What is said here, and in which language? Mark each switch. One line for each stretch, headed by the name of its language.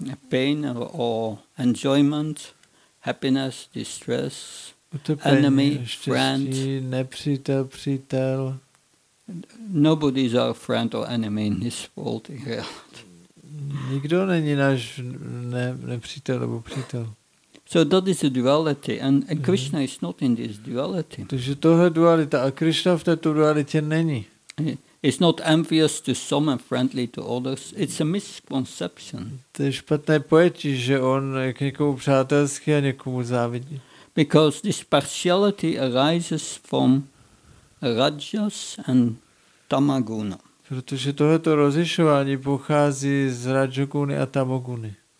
English: Pain or enjoyment, happiness, distress,
Czech: utrpení,
English: enemy,
Czech: štěstí,
English: friend.
Czech: Nepřítel, přítel.
English: Nobody is our friend or enemy in this world in reality.
Czech: Nikdo není náš nepřítel nebo přítel.
English: So that is a duality and Krishna is not in this duality.
Czech: Takže tohle dualita a Krishna v této dualitě není.
English: It's not envious to some and friendly to others. It's a misconception.
Czech: To je špatné pojetí, že on je k někomu přátelský a někomu závidí.
English: Because this partiality arises from rajas and tamaguna.
Czech: Protože tohleto rozlišování pochází z rajoguny a tamoguny.